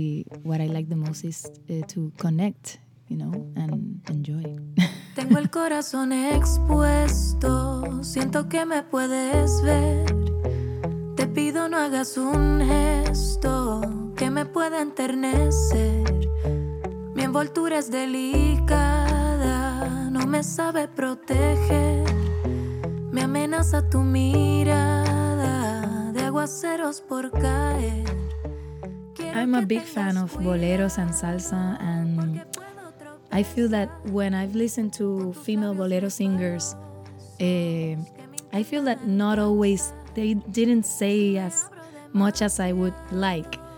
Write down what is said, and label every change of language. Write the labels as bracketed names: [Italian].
[English] With my music, I think what I like the most is to connect, you know, and enjoy. [Spanish] Tengo el corazón expuesto, siento que me puedes ver. Te pido no hagas un gesto que me pueda enternecer. Mi envoltura es delicada, no me sabe proteger. Me amenaza tu mirada de aguaceros por caer. [English] I'm a big fan of boleros and salsa, and I feel that when I've listened to female bolero singers, I feel that not always they didn't say as much as I would like.